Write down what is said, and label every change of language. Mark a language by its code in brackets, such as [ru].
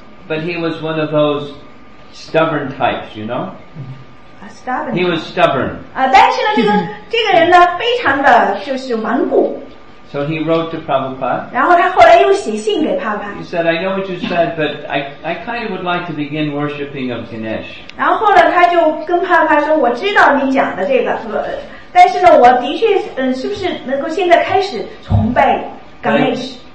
[en] But he was one of those stubborn types, you know. Stubborn. He was stubborn. [zh] 但是呢，这个人呢，非常的就是顽固。 [en] So he wrote to Prabhupada. [zh] 然后他后来又写信给Prabhupada. [en] He said, I know what you said, but I kind of would like to begin worshipping of Ganesh. [zh] 然后后来他就跟Prabhupada说, 我知道你讲的这个,但是呢,我的确是不是能够现在开始崇拜Ganesh?